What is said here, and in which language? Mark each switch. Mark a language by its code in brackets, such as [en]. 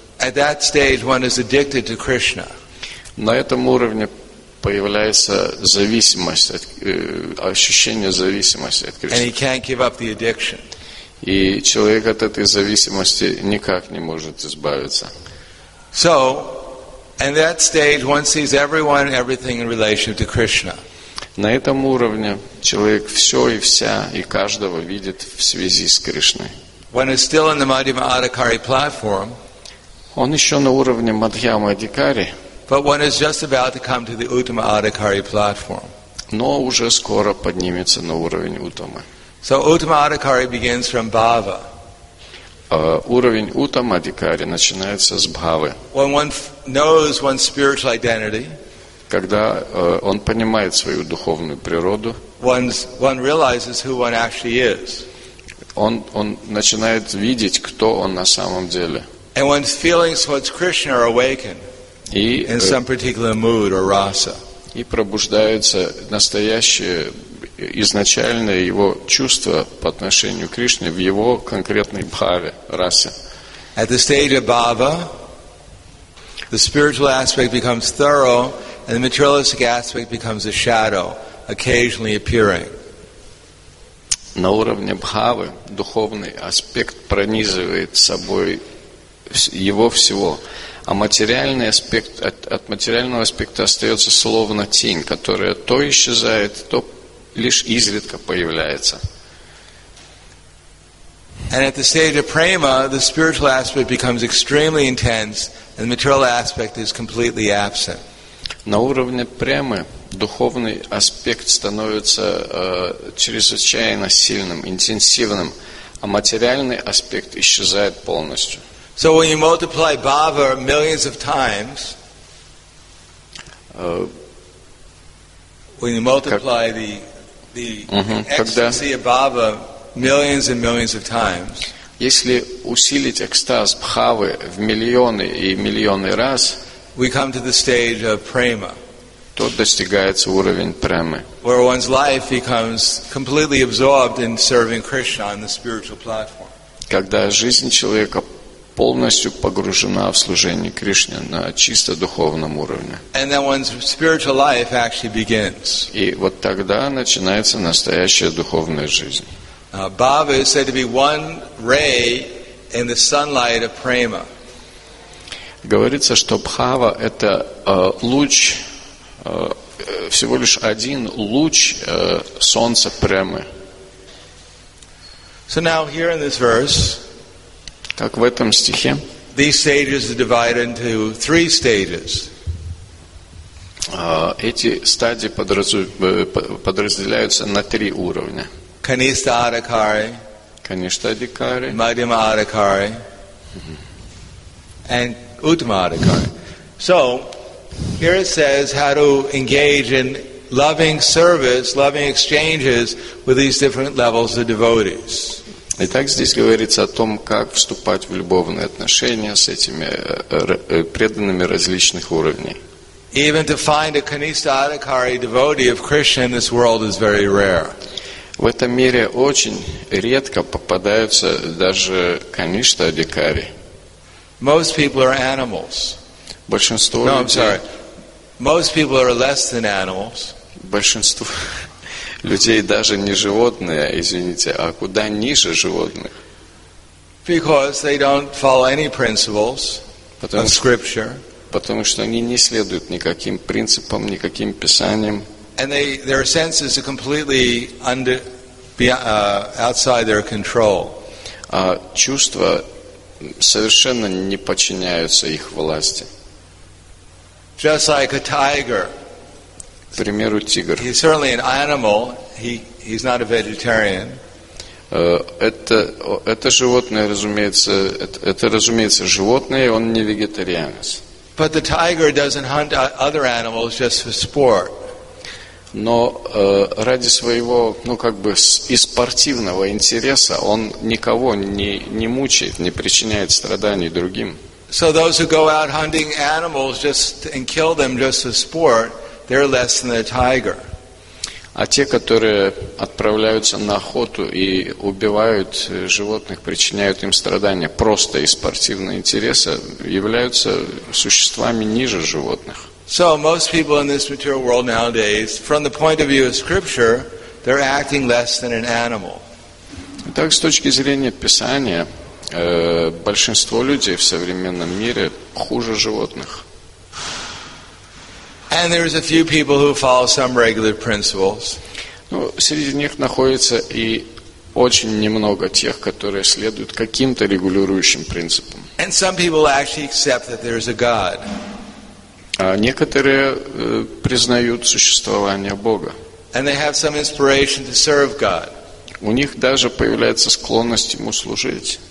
[en] At that stage, one is addicted to Krishna. [ru] На этом уровне появляется зависимость, ощущение зависимости от Кришны. [en] And he can't give up the addiction. [ru] И человек от этой зависимости никак не может избавиться. [en] So, in that stage, one sees everyone and everything in relation to Krishna. [ru] На этом уровне человек все и вся и каждого видит в связи с Кришной. [en] When he's still on the Madhyama Adhikari platform, [ru] он еще на уровне Мадхьяма Адхикари. [en] But one is just about to come to the Uttama Adhikari platform. [ru] Но уже скоро поднимется на уровень Уттамы. [en] So Uttama Adhikari begins from Bhava. [ru] Уровень Уттама Адхикари начинается с Бхавы. [en] When one knows one's spiritual identity. [ru] Когда он понимает свою духовную природу. [en] One realizes who one actually is. [ru] Он начинает видеть, кто он на самом деле. [en] And one's feelings towards Krishna are awakened. In some particular mood or rasa. [ru] И пробуждается настоящее изначальное его чувство по отношению к Кришне в его конкретной бхаве, расе. [en] At the stage of bhava, the spiritual aspect becomes thorough, and the materialistic aspect becomes a shadow, occasionally appearing. [ru] На уровне бхавы духовный аспект пронизывает собой его всего. А материальный аспект, от материального аспекта остается словно тень, которая то исчезает, то лишь изредка появляется. [en] And at the stage of prema, the spiritual aspect becomes extremely intense, and the material aspect is completely absent. [ru] На уровне премы духовный аспект становится чрезвычайно сильным, интенсивным, а материальный аспект исчезает полностью. [en] So when you multiply bhava millions of times, when you multiply the ecstasy of bhava millions and millions of times, [ru] если усилить экстаз бхавы в миллионы и миллионы раз, [en] we come to the stage of prema, [ru] то достигается уровень премы, [en] where one's life becomes completely absorbed in serving Krishna on the spiritual platform. [ru] Когда жизнь человека полностью погружена в служение Кришне на чисто духовном уровне. [en] And then one's spiritual life actually begins. [ru] И вот тогда начинается настоящая духовная жизнь. [en] Bhava is said to be one ray in the sunlight of prema. [ru] Говорится, что бхава — это луч всего лишь один луч солнца премы. [en] So now here in this verse, [ru] как в этом стихе, [en] these stages are divided into three stages. [ru] Эти стадии подразделяются на три уровня. [en] Каништа Адикари, [ru] Каништа Адикари, [en] Мадхима Адикари, and Уттама Адикари. So, here it says how to engage in loving service, loving exchanges with these different levels of devotees. [ru] Итак, здесь говорится о том, как вступать в любовные отношения с этими преданными различных уровней. [en] Even to find a Kanista Adhikari devotee of Krishna in this world is very rare. [ru] В этом мире очень редко попадаются даже Kanista Adhikari. [en] Most people are animals. [ru] Большинство людей... [en] No, I'm sorry. Most people are less than animals. [ru] Большинство людей даже не животные, извините, а куда ниже животных. [en] Because they don't follow any principles of scripture. [ru] Потому что они не следуют никаким принципам, никаким писаниям. [en] And their senses are completely outside their control. [ru] А чувства совершенно не подчиняются их власти. [en] Just like a tiger. [ru] К примеру, тигр. [en] He's certainly an animal. He's not a vegetarian. [ru] Это животное, разумеется, это животное, он не вегетарианец. [en] But the tiger doesn't hunt other animals just for sport. [ru] Но ради своего, ну как бы из спортивного интереса он никого не мучает, не причиняет страданий другим. [en] So those who go out hunting animals just and kill them just for sport, they're less than a tiger. [ru] А те, которые отправляются на охоту и убивают животных, причиняют им страдания просто из спортивного интереса, являются существами ниже животных. [en] So most people in this material world nowadays, from the point of view of scripture, they're acting less than an animal. [ru] Так, с точки зрения Писания, большинство людей в современном мире хуже животных. [en] And there's a few people who follow some regular principles. [ru] Ну, среди них находится и очень немного тех, которые следуют каким-то регулирующим принципам. [en] And some people actually accept that there's a God. [ru] А некоторые признают существование Бога. [en] And they have some inspiration to serve God. [ru] У них даже появляется склонность ему служить.